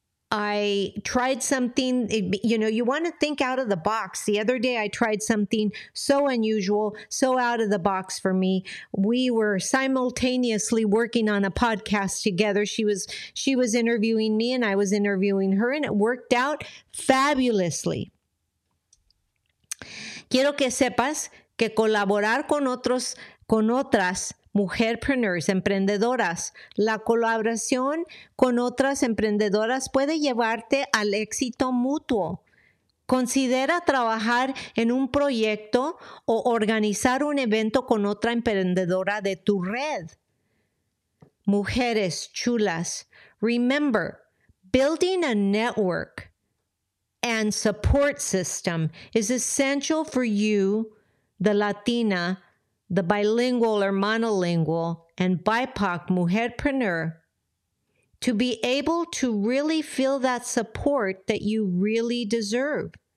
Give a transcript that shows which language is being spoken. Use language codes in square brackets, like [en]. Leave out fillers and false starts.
[en] I tried something, you know, you want to think out of the box. The other day I tried something so unusual, so out of the box for me. We were simultaneously working on a podcast together. She was interviewing me and I was interviewing her, and it worked out fabulously. [es] Quiero que sepas que colaborar con otras mujerpreneurs, emprendedoras. La colaboración con otras emprendedoras puede llevarte al éxito mutuo. Considera trabajar en un proyecto o organizar un evento con otra emprendedora de tu red. Mujeres chulas, [en] remember, building a network and support system is essential for you, the Latina, the bilingual or monolingual, and BIPOC mujerpreneur, to be able to really feel that support that you really deserve.